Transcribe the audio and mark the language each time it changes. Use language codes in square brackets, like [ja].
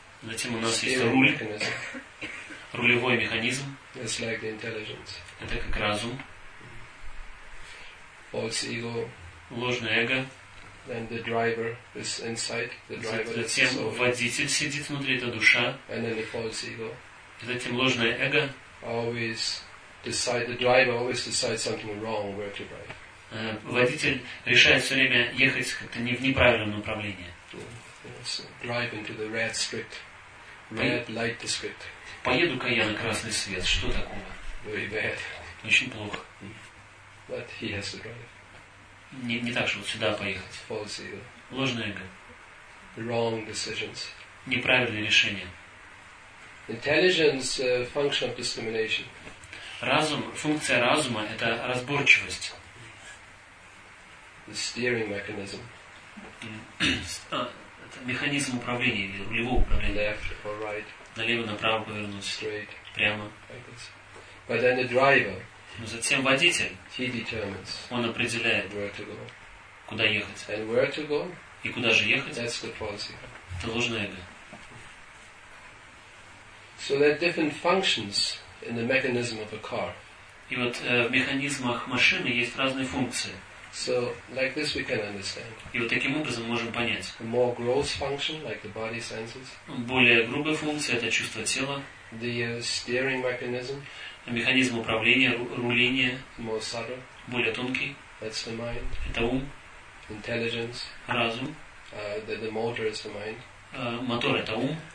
[ru] Затем у нас есть руль, рулевой механизм. [en] It's like the intelligence. [ru] Это как разум. [en] False ego. [ru] Ложное эго. [en] Then the driver is inside. The driver. [ru] Затем водитель сидит внутри, это душа. [en] And then the false ego. [ru] Затем ложное эго. [en] Always. Decide the driver always decides something wrong where to drive. [ru] Водитель решает все время ехать как-то не в неправильном направлении. [en] drive into the red strict, red light district. [ru] Поеду-ка я на красный свет. Что такого? [en] Very bad. [ru] Очень плохо. [en] But he has to drive. [ru] Не так, чтобы вот сюда поехать. [en] False ego. [ru] Ложное эго. [en] Wrong decisions. [ru] Неправильные решения. [en] Intelligence, function of discrimination. [ru] Разум, функция разума – это разборчивость. [en] The steering mechanism. [ru] Это механизм управления или рулевого управления. [en] Left or right. [ru] Налево, направо повернуть. [en] Straight. [ru] Прямо. [en] Like this. But then the driver. [ru] Но затем водитель. [en] He determines. [ru] Он определяет. [en] Where to go. [ru] Куда ехать. [en] And where to go. [ru] И куда же ехать. [en] That's the policy. [ru] Это ложное эго. [en] So there are different functions in the mechanism of a car. [ru] И вот в механизмах машины есть разные функции. [en] So like this we can understand. [ru] И вот таким образом мы можем понять. [en] A more gross function, like the body senses. [ru] Более грубая функция – это чувство тела. [en] The steering mechanism. [ru] Механизм управления, руления. [en] More subtle. [ru] Более тонкий. [en] That's the mind. [ru] Это ум. [en] Intelligence. [ru] Разум. [en] The motor is the mind. [ru] Мотор – это ум.